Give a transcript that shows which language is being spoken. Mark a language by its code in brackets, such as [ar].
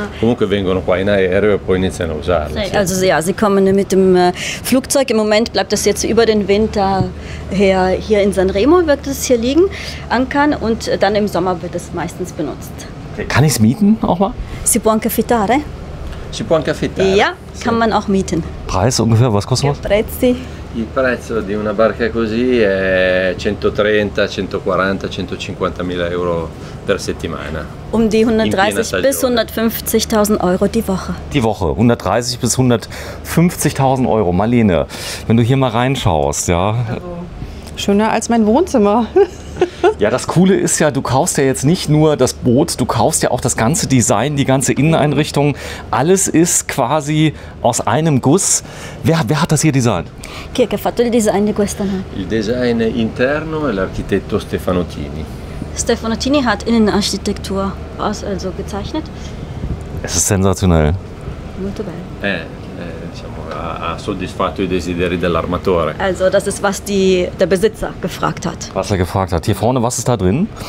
[it] Comunque vengono qua in aereo e poi iniziano a usarla. [de] Sì, also ja, sie kommen mit dem Flugzeug. Im Moment bleibt das jetzt über den Winter her hier in Sanremo, wird es hier liegen, ankern und dann im Sommer wird es meistens benutzt. Kann ich es mieten auch mal? [it] Si può anche affittare? Si può anche affittare? [de] Ja, kann man auch mieten. Preis ungefähr, was kostet das? [it] Prezzi. Il prezzo di una barca così è 130, 140, 150.000 euro per settimana. [de] Die 130 bis 150.000 Euro die Woche. Die Woche, 130 bis 150.000 Euro. Marlene, wenn du hier mal reinschaust, ja. Also, schöner als mein Wohnzimmer. Ja, das Coole ist ja, du kaufst ja jetzt nicht nur das Boot, du kaufst ja auch das ganze Design, die ganze Inneneinrichtung. Alles ist quasi aus einem Guss. Wer hat das hier designt? [it] Chi ha fatto il design di questa nave? Il design interno è l'architetto Stefano Tini. [de] Stefano Tini hat Innenarchitektur aus, also gezeichnet. Es ist sensationell. [it] Molto bello. Ha soddisfatto i desideri dell'armatore. [de] Also das ist, was die, der Besitzer gefragt hat. Was er gefragt hat. Hier vorne, was ist da drin?